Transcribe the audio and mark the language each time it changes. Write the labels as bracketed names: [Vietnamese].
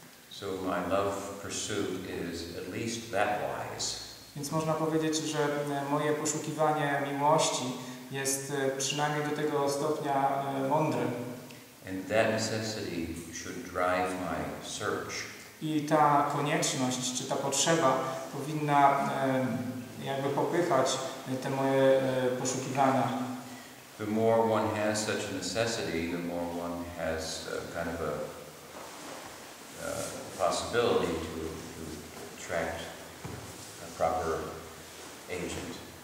[English] So my love pursuit is at least that wise. [Polish] Więc można powiedzieć, że moje poszukiwanie miłości jest przynajmniej do tego stopnia mądre. [English] And that necessity should drive my search. [Polish] I ta konieczność, czy ta potrzeba powinna jakby popychać te moje poszukiwania. [English] The more one has such a necessity, the more one has kind of a possibility to attract a proper agent.